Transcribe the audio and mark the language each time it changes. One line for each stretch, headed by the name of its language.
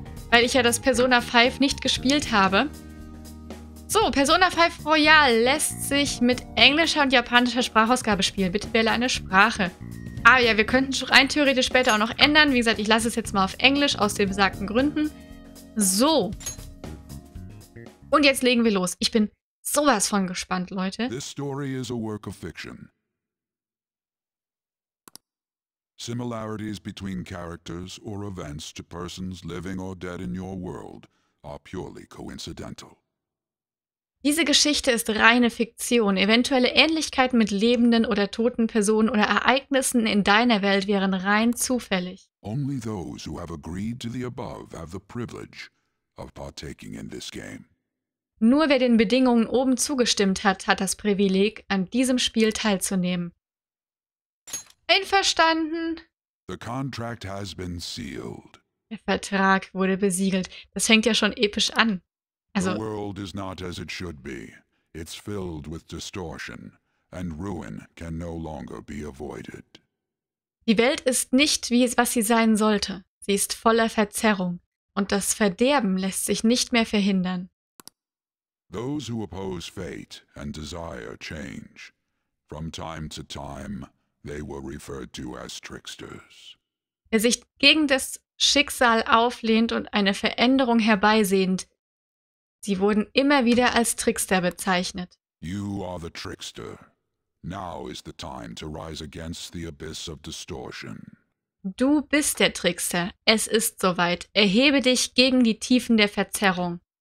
German: Weil ich ja das Persona 5 nicht gespielt habe. So, Persona 5 Royal lässt sich mit englischer und japanischer Sprachausgabe spielen. Bitte wähle eine Sprache. Ah ja, wir könnten rein theoretisch später auch noch ändern. Wie gesagt, ich lasse es jetzt mal auf Englisch aus den besagten Gründen. So. Und jetzt legen wir los. Ich bin sowas von gespannt, Leute.
English: This story is a work of fiction. Similarities between characters or events to persons living or dead in your world are purely coincidental.
German: Diese Geschichte ist reine Fiktion. Eventuelle Ähnlichkeiten mit lebenden oder toten Personen oder Ereignissen in deiner Welt wären rein zufällig.
English: Only those who have agreed to the above have the privilege of partaking in this game.
German: Nur wer den Bedingungen oben zugestimmt hat, hat das Privileg, an diesem Spiel teilzunehmen. Einverstanden.
English: The contract has been sealed.
German: Der Vertrag wurde besiegelt. Das fängt ja schon episch an. Also,
English: the world is not as it should be. It's filled with distortion and ruin can no longer be avoided.
German: Die Welt ist nicht, wie es was sie sein sollte. Sie ist voller Verzerrung und das Verderben lässt sich nicht mehr verhindern.
English: Those who oppose fate and desire change. From time to time, they were referred to as tricksters.
German: Wer sich gegen das Schicksal auflehnt und eine Veränderung herbeisehnt, sie wurden immer wieder als Trickster bezeichnet.
English: You are the trickster. Now is the time to rise against the abyss of distortion.
German: Du bist der Trickster. Es ist soweit. Erhebe dich gegen die Tiefen der Verzerrung.